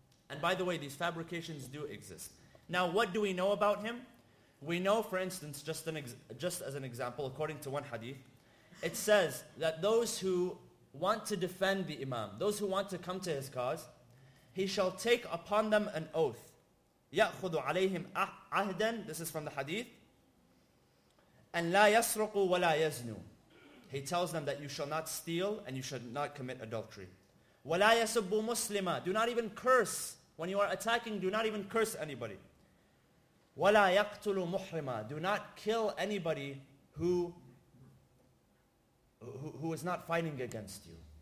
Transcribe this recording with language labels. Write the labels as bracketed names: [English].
[English] And by the way, these fabrications do exist. Now, what do we know about him? We know, for instance, just as an example, according to one hadith, it says that those who want to defend the imam, those who want to come to his cause, he shall take upon them an oath. [Arabic] يَأْخُذُ عَلَيْهِمْ عَهْدًا. [English] This is from the hadith. [Arabic] And لَا يَسْرُقُ وَلَا يَزْنُ. [English] He tells them that you shall not steal and you should not commit adultery. [Arabic] وَلَا يَسُبُّ مُسْلِمًا. [English] Do not even curse. When you are attacking, do not even curse anybody. [Arabic] وَلَا يَقْتُلُ مُحْرِمًا. [English] Do not kill anybody who is not fighting against you.